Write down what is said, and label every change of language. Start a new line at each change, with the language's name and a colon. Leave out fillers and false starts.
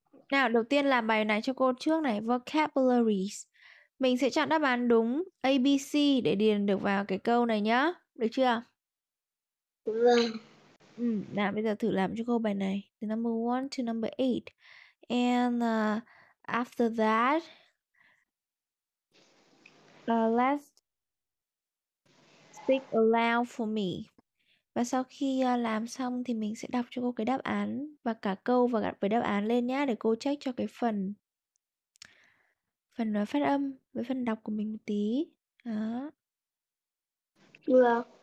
Vietnamese: Nào, đầu tiên làm bài này cho cô trước này, vocabularies. Mình sẽ chọn đáp án đúng ABC để điền được vào cái câu này nhá. Được chưa? Vâng. Ừ, nào bây giờ thử làm cho cô bài này, từ
English: number 1 to number 8. And after that let's speak aloud for me.
Vietnamese: Và sau khi làm xong thì mình sẽ đọc cho cô cái đáp án và cả câu và gặp với đáp án lên nhá, để cô check cho cái phần phát âm với phần đọc của mình một tí. Đó. Được.